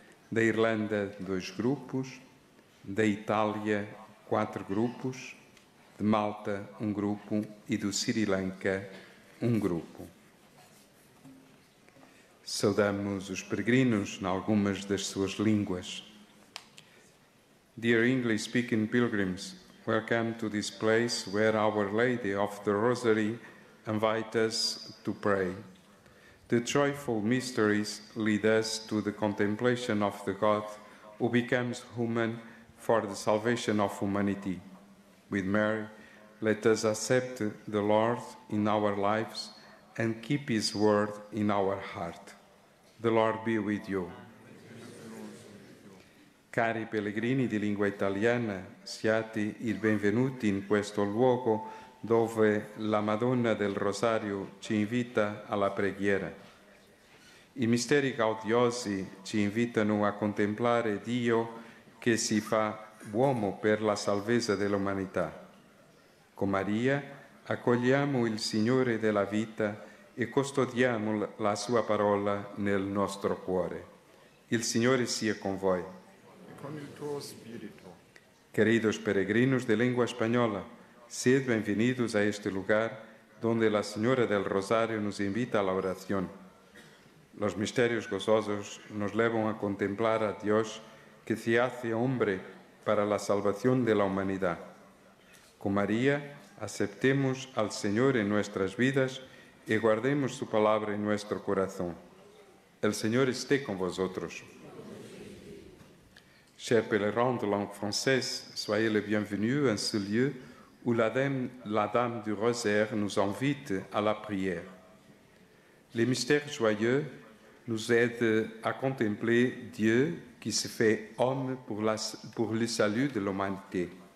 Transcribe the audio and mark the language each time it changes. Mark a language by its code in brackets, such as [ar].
[pt] Da Irlanda, dois grupos. Da Itália, quatro grupos. De Malta, um grupo. E do Sri Lanka, um grupo. Saudamos os peregrinos em algumas das suas línguas. [en] Dear English-speaking pilgrims, welcome to this place where Our Lady of the Rosary invites us to pray. The joyful mysteries lead us to the contemplation of the God who becomes human for the salvation of humanity. With Mary, let us accept the Lord in our lives and keep His word in our heart. The Lord be with you. [it] Cari pellegrini di lingua italiana, siate i benvenuti in questo luogo dove la Madonna del Rosario ci invita alla preghiera. I misteri gaudiosi ci invitano a contemplare Dio che si fa uomo per la salvezza dell'umanità. Con Maria accogliamo il Signore della vita e custodiamo la Sua parola nel nostro cuore. Il Signore sia con voi. Con il tuo spirito. [es] Queridos peregrinos de lengua española, sed bienvenidos a este lugar donde la Señora del Rosario nos invita a la oración. Los misterios gozosos nos llevan a contemplar a Dios que se hace hombre para la salvación de la humanidad. Con María, aceptemos al Señor en nuestras vidas y guardemos su palabra en nuestro corazón. El Señor esté con vosotros. [fr] Chers pèlerins de langue française, soyez les bienvenus en ce lieu où la Dame du Rosaire nous invite à la prière. Les mystères joyeux nous aident à contempler Dieu qui se fait homme pour le salut de l'humanité.